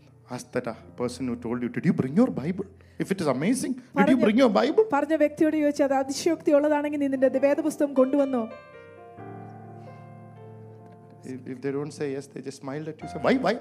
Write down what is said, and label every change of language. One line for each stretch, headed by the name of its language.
English: Ask that person who told you, did you bring your Bible? If it is amazing, did you bring your Bible?
Malayalam: പറഞ്ഞ വ്യക്തിയോട് ചോദിച്ചാൽ അതിശയോക്തി ഉള്ളതാണെങ്കിൽ നിന്റെ വേദപുസ്തകം കൊണ്ടുവന്നോ?
English: If they don't say yes, they just smile at you, say why